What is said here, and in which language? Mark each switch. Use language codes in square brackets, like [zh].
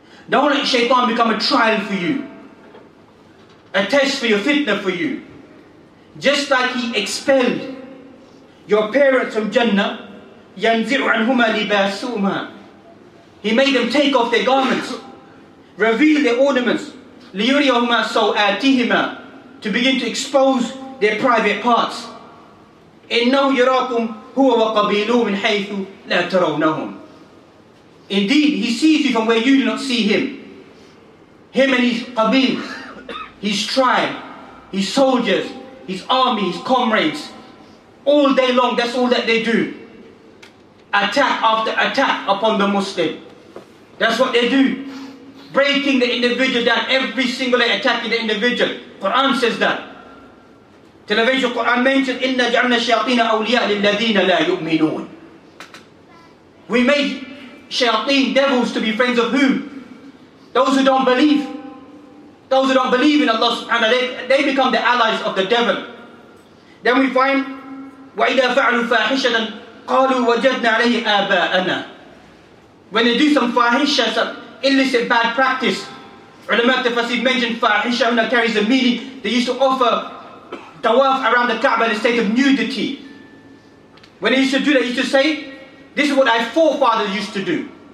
[en] Don't let shaitan become a trial for you, a test for your fitna for you. Just like he expelled Your parents from Jannah, [ar] ينزل عنهما لباسهما. [en] He made them take off their garments, reveal their ornaments, [ar] ليريهما سوآتهما, [en] to begin to expose their private parts. [ar] إنه يراكم هو وقبيله من حيث لا ترونهم. [en] Indeed, he sees you from where you do not see him. Him and his qabil, his tribe, his soldiers, his army, his comrades. All day long, that's all that they do. Attack after attack upon the Muslim. That's what they do. Breaking the individual down, every single day attacking the individual. Quran says that. Television Quran mentions, [ar] إِنَّ جَعْنَا الشَّيَاطِينَ أَوْلِيَاءَ لِلَّذِينَ لَا يُؤْمِنُونَ. [en] We made shayateen, devils, to be friends of whom? Those who don't believe. Those who don't believe in Allah subhanahu wa ta'ala, they become the allies of the devil. Then we find, [ar] وَإِذَا فَعْلُوا فَاحِشَةً قَالُوا وَجَدْنَا عَلَيْهِ آبَاءَنَا. [en] When they do some fahisha, some illicit bad practice, ulama tafsir mentioned fahisha when it carries a meaning, they used to offer tawaf around the Kaaba in a state of nudity. When they used to do that, they used to say, this is what our forefathers used to do.